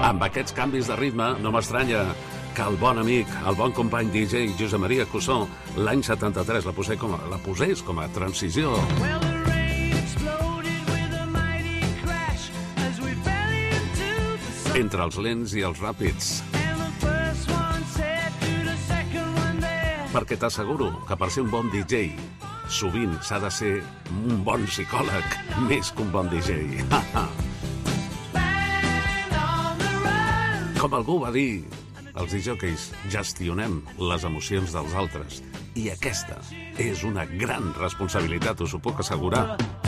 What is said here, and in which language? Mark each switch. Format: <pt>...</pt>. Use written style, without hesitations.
<ca>Aquests canvis de ritme, no m'estranya que el bon amic, el bon company DJ Josep Maria Cusó, l'any 73 la posés com a transició.</ca> <en>Well, the rain exploded with a mighty crash as we fell into the sun.</en> <ca>Entre els lents i els ràpids.</ca> <en>And the first one said to the second one there.</en> <ca>Perquè t'asseguro que per ser un bon DJ sovint s'ha de ser un bon psicòleg més que un bon DJ. Com algú va dir, els DJs gestionem les emocions dels altres i aquesta és una gran responsabilitat, us ho puc assegurar.</ca>